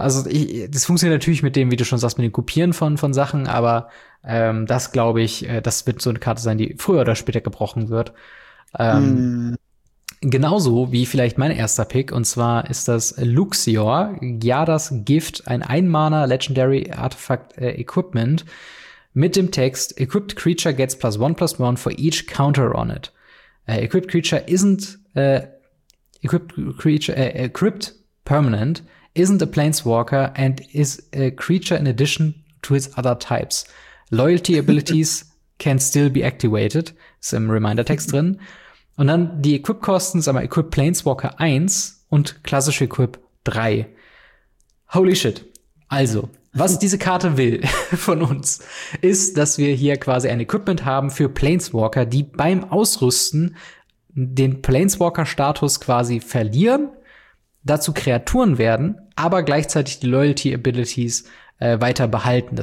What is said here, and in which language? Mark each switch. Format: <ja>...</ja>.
<de>Also das funktioniert natürlich mit dem, wie du schon sagst, mit dem Kopieren von Sachen, aber das glaube ich, das wird so eine Karte sein, die früher oder später gebrochen wird. Genauso wie vielleicht mein erster Pick, und zwar ist das Luxior, Gyadas Gift, ein Ein-Mana Legendary Artifact Equipment mit dem Text:</de> <en>Equipped Creature gets +1/+1 for each counter on it. Equipped Creature isn't equipped permanent, isn't a planeswalker, and is a creature in addition to its other types. Loyalty Abilities can still be activated,</en> <de>ist im Reminder-Text drin. Und dann die Equip-Kosten, sag mal, Equip Planeswalker 1 und klassische Equip 3.</de> <en>Holy shit.</en> <de>Also, was diese Karte will von uns, ist, dass wir hier quasi ein Equipment haben für Planeswalker, die beim Ausrüsten den Planeswalker-Status quasi verlieren, dazu Kreaturen werden, aber gleichzeitig die Loyalty-Abilities weiter behalten.</de>